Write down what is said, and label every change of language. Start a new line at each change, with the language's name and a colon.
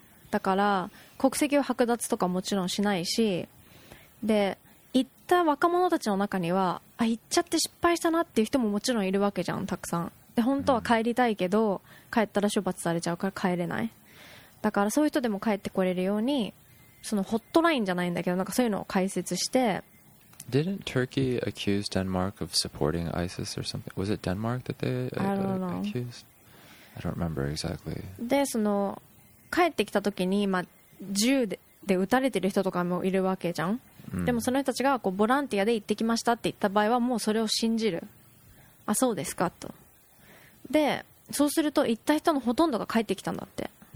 Japanese: だから国籍を剥奪とかもちろんしないし、で行った若者たちの中にはあ行っちゃって失敗したなっていう人ももちろんいるわけじゃん、たくさん。で本当は帰りたいけど帰ったら処罰されちゃうから帰れない。だからそういう人でも帰ってこれるようにそのホットラインじゃないんだけどなんかそういうのを開設して。
English: Didn't Turkey accuse Denmark of supporting ISIS or something? Was it Denmark that they accused? I don't remember exactly.
Japanese: で、その帰ってきた時に、まあ、銃で撃たれてる人とかもいるわけじゃん。でもその人たちがこうボランティアで行ってきましたって言った場合はもうそれを信じる。あ、そうですかと。で、そうすると行った人のほとんどが帰ってきたんだって。